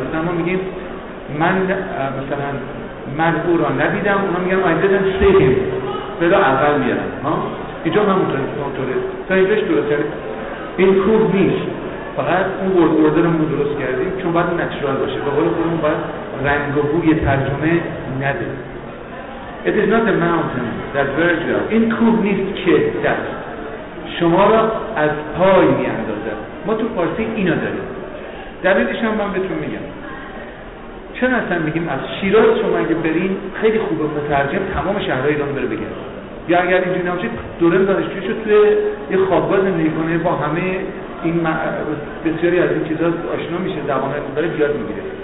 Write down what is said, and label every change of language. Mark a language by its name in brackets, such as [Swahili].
[Persian] مثلا ما میگیم من مثلا من او را ندیدم، اونا میگن [English] I didn't see him، [Persian] بلا اول میاد. اینجا همونطوره تا اینجاش درست کرد. این کوه نیست، فقط اون ورد اوردرمون درست کردیم، چون باید نچرال باشه، به قول خودمون باید رنگ و بوی ترجمه نده. [English] It is not a mountain that bears you. [Persian] این کوه نیست که دست شما را از پای می اندازد. ما تو فارسی اینا داریم. دلیلش هم من بهتون میگم. چرا اصلا میگیم از شیراز شما اگه برین خیلی خوبه مترجم تمام شهرهای ایران بره بگه. یا اگر اینجوری نمیشه دوره دانشجویی شو توی یه خوابگاه زندگی کنه با همه این بسیاری از این چیزا آشنا میشه، زبان رو داره یاد میگیره.